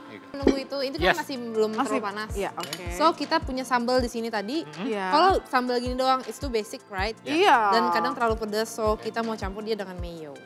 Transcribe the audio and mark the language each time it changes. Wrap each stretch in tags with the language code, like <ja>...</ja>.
<id>Menunggu itu kan masih belum terlalu panas.</id> <en>Yeah, okay.</en> <id>So kita punya sambal di sini tadi.</id> <en>Yeah.</en> <id>Kalau sambal gini doang,</id> <en>it's too basic, right?</en> <id>Iya. Yeah. Dan kadang terlalu pedas, so kita mau campur dia dengan mayo.</id>